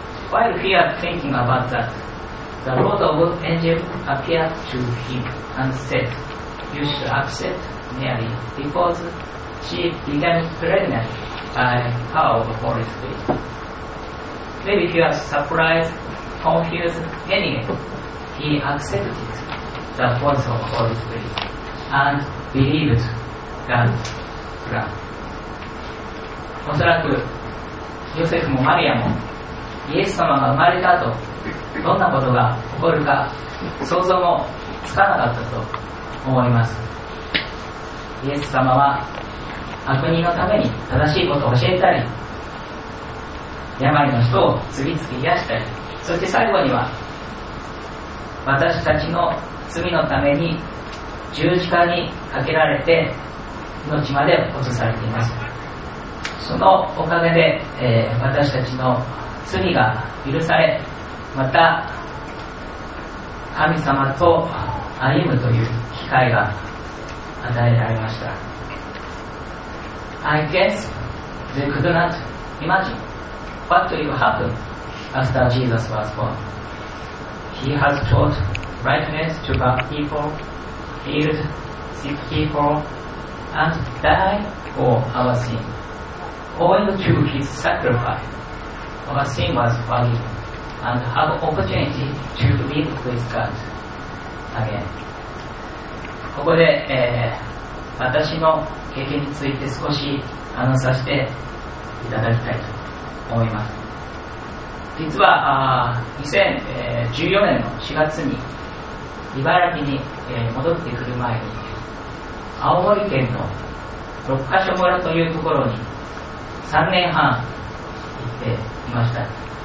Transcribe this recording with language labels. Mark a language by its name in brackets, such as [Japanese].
[English] While he was thinking about that, the Lord of Angels appeared to him and said, You should accept Mary because she became pregnant by power of the Holy Spirit. Maybe he was surprised, confused. Anyway, he accepted it. The voice of Holy Spirit and believed God's plan. [Japanese] おそらくヨセフもマリアもイエス様が生まれた後どんなことが起こるか想像もつかなかったと思います。イエス様は悪人のために正しいことを教えたり、病の人を次々癒したり、そして最後には私たちの罪のために十字架にかけられて命まで落とされています。そのおかげで、私たちの罪が許され、また神様と歩むという機会が与えられました。 [English] I guess they could not imagine what will happen after Jesus was born. He has taught righteousness to bad people, healed sick people, and died for our sin. Owing to his sacrifice, our sin was forgiven and have opportunity to live with God again. [Japanese] ここで、私の経験について少し話させていただきたいと思います。実は2014年の4月に茨城に戻ってくる前に、青森県の六ヶ所村というところに3年半行っていました。